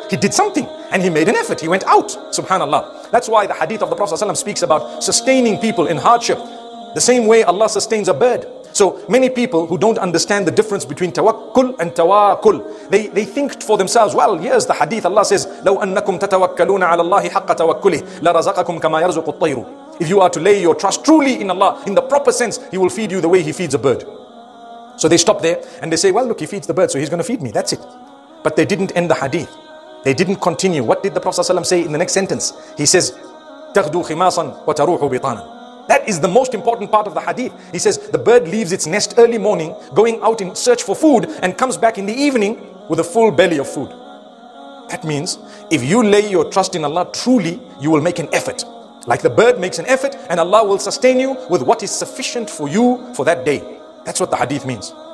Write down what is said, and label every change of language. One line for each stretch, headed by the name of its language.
English: He did something and he made an effort. He went out. Subhanallah. That's why the hadith of the Prophet ﷺ speaks about sustaining people in hardship the same way Allah sustains a bird. So many people who don't understand the difference between tawakkul and tawakul, they think for themselves, well, here's the hadith. Allah says,
Arabic: لو أنكم تتوكلون على الله حق توكله لرزقكم كما يرزق الطير.
English: If you are to lay your trust truly in Allah, in the proper sense, He will feed you the way He feeds a bird. So they stop there and they say, well, look, He feeds the bird, so He's going to feed me. That's it. But they didn't end the hadith. They didn't continue. What did the Prophet ﷺ say in the next sentence? He says,
Arabic: تغدو خماصا وتروح بطانا.
English: That is the most important part of the hadith. He says, the bird leaves its nest early morning, going out in search for food, and comes back in the evening with a full belly of food. That means, if you lay your trust in Allah truly, you will make an effort. Like the bird makes an effort, and Allah will sustain you with what is sufficient for you for that day. That's what the hadith means.